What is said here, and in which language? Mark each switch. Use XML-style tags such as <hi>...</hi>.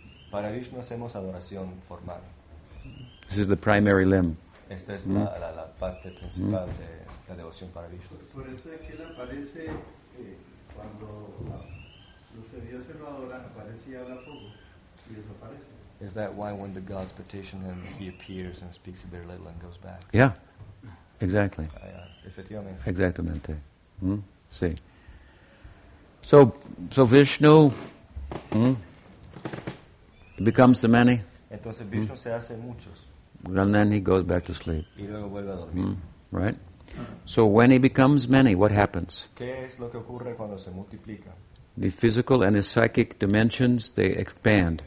<es>Para Vishnu hacemos adoración formal.</es> <en>This is the primary limb.</en> <es>Esta es la parte principal de la devoción para Vishnu. Por eso es que él aparece cuando los dioses lo adoran, aparece y habla poco y desaparece.</es> <en>Is that why when the gods petition him, he appears and speaks a bit little and goes back? Yeah, exactly.</en> <es>Effectivamente. Exactamente. Sí.</es> <en>So Vishnu becomes the many.</en> <es>Entonces Vishnu se hace muchos.</es> <en>And then he goes back to sleep.</en> <es>Y luego vuelve a dormir.</es> <en>Right? So when he becomes many, what happens?</en> <es>¿Qué es lo que ocurre cuando se multiplica?</es> <en>The physical and the psychic dimensions, they expand.</en>